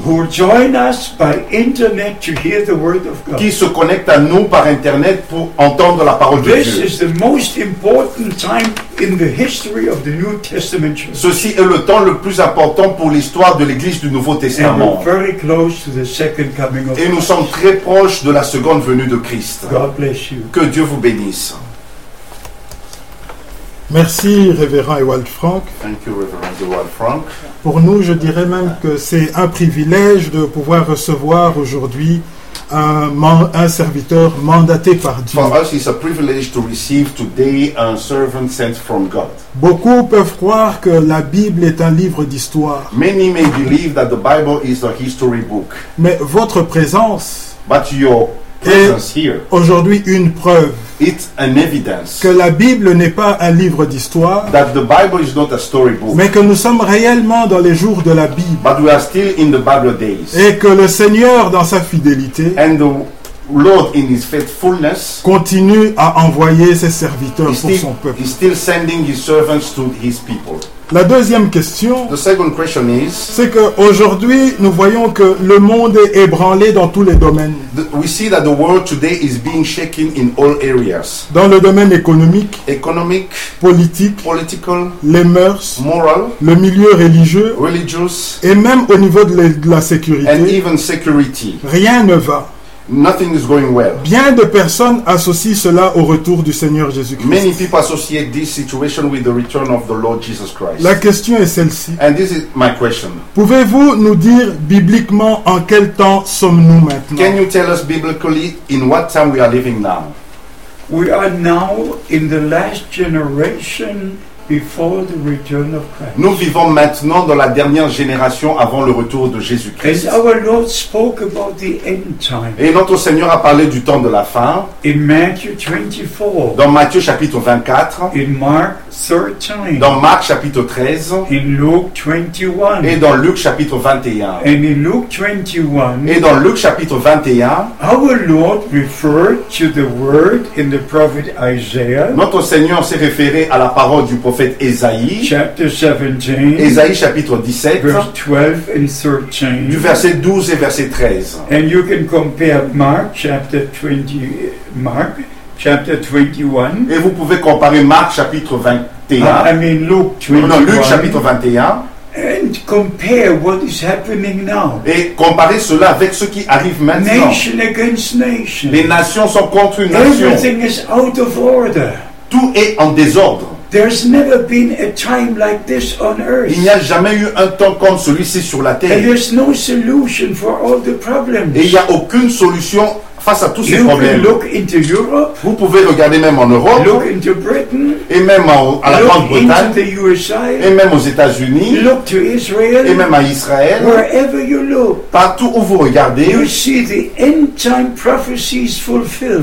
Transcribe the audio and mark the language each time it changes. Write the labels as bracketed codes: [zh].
[en] Who join us by internet to hear the word of God. [fr] Qui se connectent à nous par internet pour entendre la parole de [en] This [fr] Dieu. [en] This is the most important time in the history of the New Testament church. [fr] Ceci est le temps le plus important pour l'histoire de l'Église du Nouveau Testament. [en] And very close to the second coming of [fr] Et nous sommes très proches de la seconde venue de Christ. [en] God bless you. [fr] Que Dieu vous bénisse. Merci, Révérend Ewald Frank. [en] Thank you, Reverend Ewald Frank. [fr] Pour nous, je dirais même que c'est un privilège de pouvoir recevoir aujourd'hui un serviteur mandaté par Dieu. [en] For us, it's a privilege to receive today a servant sent from God. [fr] Beaucoup peuvent croire que la Bible est un livre d'histoire. [en] Many may believe that the Bible is a history book. [fr] Mais votre présence, [en] but your presence [fr] est [en] here, [fr] aujourd'hui une preuve. [en] It's an evidence [fr] que la Bible n'est pas un livre d'histoire, [en] that the Bible is not a storybook, [fr] mais que nous sommes réellement dans les jours de la Bible, [en] but we are still in the Bible days, [fr] et que le Seigneur, dans sa fidélité, [en] and the Lord in his faithfulness, [fr] continue à envoyer ses serviteurs pour son peuple. [en] He's still sending his servants to his people. [fr] La deuxième question, [en] the second question is, [fr] c'est qu'aujourd'hui, nous voyons que le monde est ébranlé dans tous les domaines. [en] We see that the world today is being shaken in all areas. [fr] Dans le domaine économique, [en] economic, [fr] politique, [en] political, [fr] les mœurs, [en] moral, [fr] le milieu religieux, [en] religious, [fr] et même au niveau de la sécurité, [en] and even security. [fr] Rien ne va. [en] Nothing is going well. [fr] Bien de personnes associent cela au retour du Seigneur Jésus-Christ. [en] Many people associate this situation with the return of the Lord Jesus Christ. [fr] La question est celle-ci. [en] And this is my question. [fr] Pouvez-vous nous dire bibliquement en quel temps sommes-nous maintenant? [en] Can you tell us biblically in what time we are living now? We are now in the last generation before the return of Christ. [fr] Nous vivons maintenant dans la dernière génération avant le retour de Jésus-Christ. [en] As our Lord spoke about the end time. [fr] Et notre Seigneur a parlé du temps de la fin. [en] In Matthew 24. [fr] Dans Matthieu chapitre 24. [en] In Mark 13. [fr] Dans Marc chapitre 13. [en] In Luke 21. [fr] Et dans Luc chapitre 21. [en] And in Luke 21. [fr] Et dans Luc chapitre 21. [en] Our Lord referred to the word in the prophet Isaiah. [fr] Notre Seigneur s'est référé à la parole du prophète Esaïe, [en] chapter 17, [fr] Esaïe chapitre 17, [en] verse 12 and 13, [fr] du verset 12 et verset 13. [en] And you can compare Mark chapter 20, Mark chapter 21. [fr] Et vous pouvez comparer Marc chapitre 21. [en] I mean Luke 21. [fr] Non, Luc chapitre 21. [en] And compare what is happening now. [fr] Et comparer cela avec ce qui arrive maintenant. [en] Nation against nation. [fr] Les nations sont contre une nation. [en] Everything is out of order. [fr] Tout est en désordre. [en] There's never been a time like this on earth. [fr] Il n'y a jamais eu un temps comme celui-ci sur la terre. [en] And there's no solution for all the problems. [fr] Et il n'y a aucune solution face à tous ces problèmes. [en] Look into Europe. [fr] Vous pouvez regarder même en Europe. [en] Look into Britain. [fr] Et même à la Grande-Bretagne. [en] Into the USA. [fr] Et même aux États-Unis. [en] Look to Israel. [fr] Et même à Israël. [en] Wherever you look. [fr] Partout où vous regardez. [en] You see the end time prophecies fulfilled.